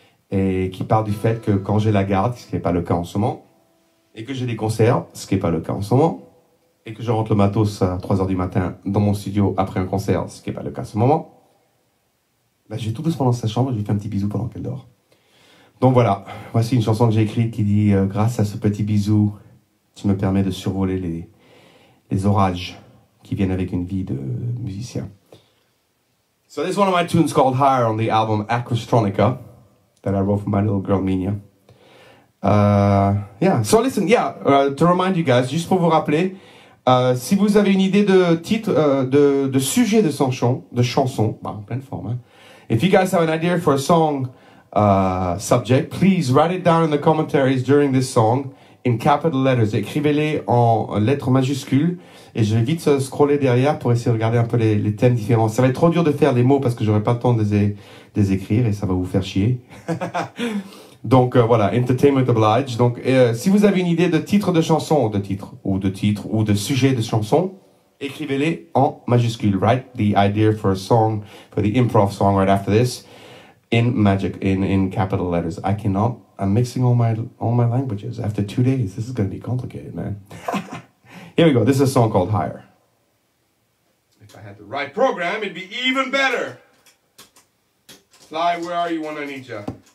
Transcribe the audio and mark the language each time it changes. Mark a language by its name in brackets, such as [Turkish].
[French] Et qui part du fait que quand j'ai la garde, ce qui n'est pas le cas en ce moment, et que j'ai des concerts, ce qui n'est pas le cas en ce moment, et que je rentre le matos à 3h du matin dans mon studio après un concert, ce qui n'est pas le cas en ce moment, bah, je vais tout doucement dans sa chambre, je lui fais un petit bisou pendant qu'elle dort. Donc voilà, voici une chanson que j'ai écrite qui dit « Grâce à ce petit bisou, tu me permets de survoler les orages qui viennent avec une vie de musicien. » [English] So this is one of my tunes called Higher on the album Aquastronica that I wrote for my little girl Minya. Yeah, so listen, yeah, to remind you guys, [French] juste pour vous rappeler, si vous avez une idée de titre, de sujet de chanson, bah, en pleine forme, hein. [English] If you guys have an idea for a song subject, please write it down in the commentaries during this song in capital letters. [French] Écrivez-les en lettres majuscules et je vais vite scroller derrière pour essayer de regarder un peu les thèmes différents. Ça va être trop dur de faire les mots parce que j'aurai pas le temps de les écrire et ça va vous faire chier. Donc voilà, [English] entertainment obliged. [French] Donc si vous avez une idée de titre de chanson, ou de sujet de chanson, écrivez-les en majuscule. [English] Write the idea for a song, for the improv song right after this, in capital letters. I'm mixing all my languages after 2 days. This is going to be complicated, man. Here we go. This is a song called Higher. If I had the right program, it'd be even better. Fly, where are you when I need you?